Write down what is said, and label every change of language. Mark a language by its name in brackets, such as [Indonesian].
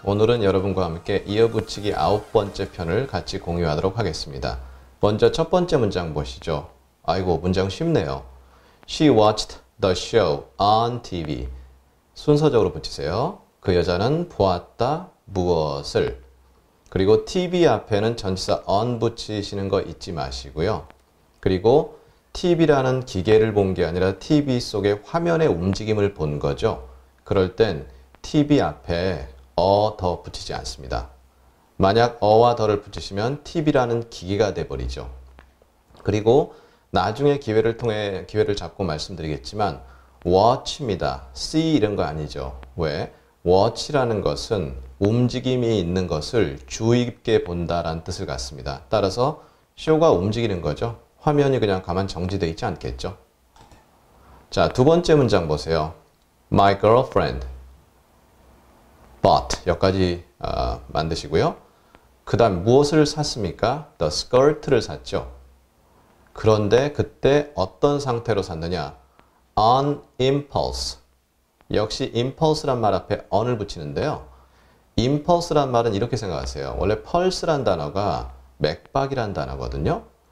[Korean] 오늘은 여러분과 함께 이어붙이기 9번째 편을 같이 공유하도록 하겠습니다. 먼저 첫 번째 문장 보시죠. 아이고, 문장 쉽네요. [English] She watched the show on TV. [Korean] 순서적으로 붙이세요. 그 여자는 보았다, 무엇을. 그리고 TV 앞에는 전치사 on 붙이시는 거 잊지 마시고요. 그리고 TV라는 기계를 본 게 아니라 TV 속의 화면의 움직임을 본 거죠. 그럴 땐 TV 앞에 더 붙이지 않습니다. 만약 어와 더를 붙이시면 TV라는 기계가 돼버리죠. 그리고 나중에 기회를 잡고 말씀드리겠지만 watch입니다. see 이런 거 아니죠. 왜? watch라는 것은 움직임이 있는 것을 주의 깊게 본다라는 뜻을 갖습니다. 따라서 쇼가 움직이는 거죠. 화면이 그냥 가만 정지되어 있지 않겠죠. 자, 두 번째 문장 보세요. [English] My girlfriend bought [Korean] 여기까지 만드시고요. 그 다음 무엇을 샀습니까? [English] The skirt [Korean] 를 샀죠. 그런데 그때 어떤 상태로 샀느냐? [English] On impulse. [Korean] 역시 impulse란 말 앞에 on을 붙이는데요. impulse란 말은 이렇게 생각하세요. 원래 pulse란 단어가 맥박이란 단어거든요.